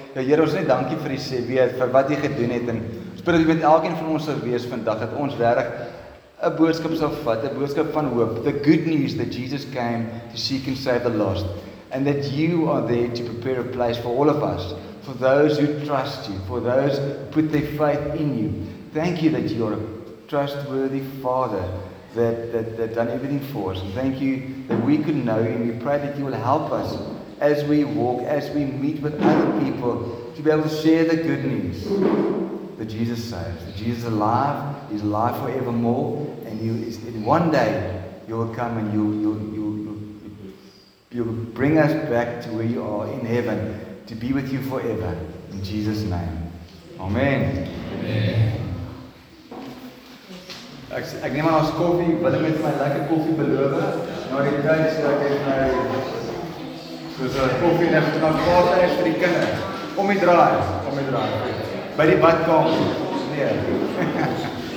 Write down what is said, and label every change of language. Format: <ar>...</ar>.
<af>Ja Here, ons net dankie vir die sê weer vir wat jy gedoen het en spreek dit met elkeen van ons sal wees vandag dat ons regtig 'n boodskap sal vat, 'n boodskap van hoop.</af> <en>The good news that Jesus came to seek and save the lost and that you are there to prepare a place for all of us, for those who trust you, for those who put their faith in you. Thank you that you're a trustworthy Father that done everything for us. And thank you that we could know you, and we pray that you will help us as we walk, as we meet with other people, to be able to share the good news that Jesus saves, that Jesus is alive, He's alive forevermore, and you, in one day you will come and you will bring us back to where you are in heaven to be with you forever. In Jesus' name. Amen.</en> <af>Ek neem maar ons koffie, wil ek met my lekker koffie beloof, na die tyd sodat ek my soos een koffie neem, en dan vaart ek vir die kinders, kom jy draai, by die badkamer, nee.</af>